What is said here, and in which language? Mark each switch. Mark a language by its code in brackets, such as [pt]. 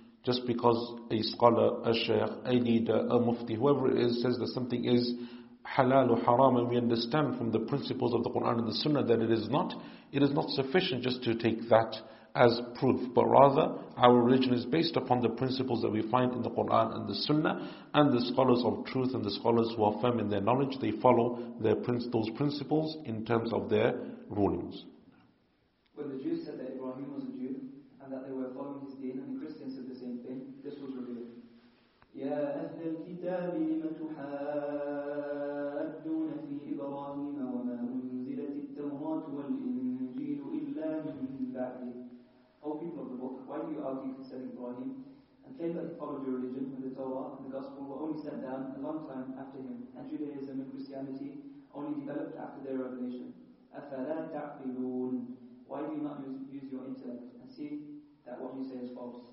[en] Just because a scholar, a sheikh, a leader, a mufti, whoever it is, says that something is halal or haram, and we understand from the principles of the Quran and the Sunnah that it is not sufficient just to take that as proof, but rather our religion is based upon the principles that we find in the Quran and the Sunnah, and the scholars of truth and the scholars who are firm in their knowledge, they follow those principles in terms of their rulings. When the Jews said that Ibrahim was a Jew and that they were following his deen, and the Christians said the same thing, this was revealed. [ar] يا أهل الكتاب لم تحاجون في إبراهيم وما أنزلت التوراة والإنجيل إلا من بعده. [en] O people of the book, why do you argue concerning Ibrahim and claim that he followed your religion when the Torah and the Gospel were only sent down a long time after him, and Judaism and Christianity only developed after their revelation? [ar] أَفَلَا تَعْقِلُونَ. [en] Why do you not use your intellect and see that what you say is false?